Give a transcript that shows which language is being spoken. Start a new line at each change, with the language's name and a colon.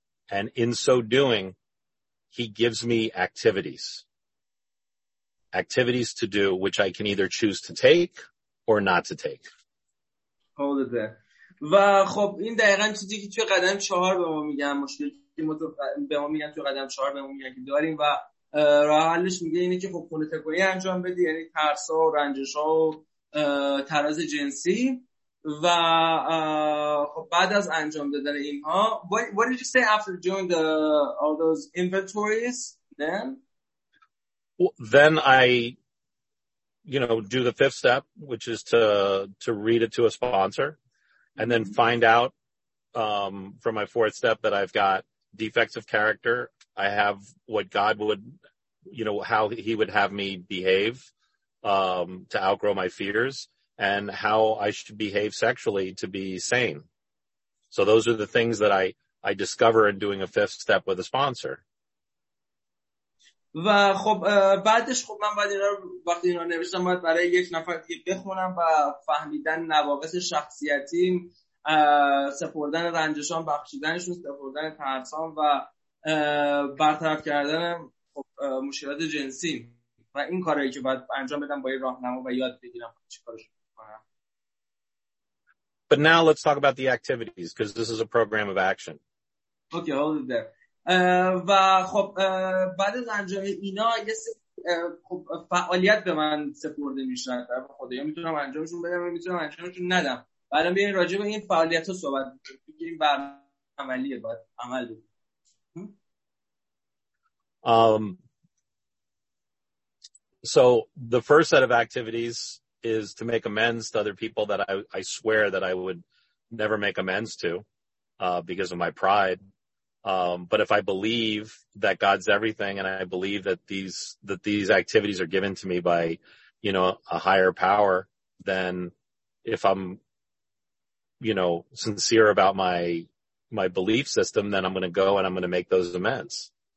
English: And in so doing, he gives me activities to do, which I can either choose to take or not to take. Hold it there.
Persian: و خب این دقیقاً چیزی که توی قدم 4 به ما میگن مشکلی که به ما میگن توی قدم 4 به ما میگن که داریم و راه حلش میگه اینه که خب خونه تکویی انجام بدی یعنی ترسا و رنجشا و تراز جنسی و خب بعد از انجام دادن اینها
English: what did you say after doing the all those inventories then I you know do the fifth step which is to read it to a sponsor and then find out from my fourth step that I've got defects of character. I have what God would, you know, how he would have me behave to outgrow my fears and how I should behave sexually to be sane. So those are the things that I discover in doing a fifth step with a sponsor.
Persian: و خب بعدش خب من بعد اینا وقتی اینا نوشتم باید برای یک نفر دیگه بخونم و فهمیدن نواقص شخصیتیم سپردن رنجشان بخشیدنشون سپردن ترسان و برطرف کردن خب مشکلات جنسی و این کاری که باید انجام بدم با یه راهنما و یاد بگیرم چیکارش کنم.
English: But now let's talk about the activities because this is a program of action. Okay, hold it there.
Persian: و خب بعد از انجام اینا یه خب فعالیت به من سپرده میشن طرف خدایا میتونم انجامشون بدم و میتونم انجامشون ندم بعدا بیاین راجع به این فعالیت ها صحبت بگیریم برنامه عملیه باید عمل بگیریم
English: So the first set of activities is to make amends to other people that I swear that I would never make amends to because of my pride. But if I believe that God's everything and I believe that these activities are given to me by, you know, a higher power, then if I'm, you know, sincere about my belief system, then I'm going to go and I'm going to make those amends.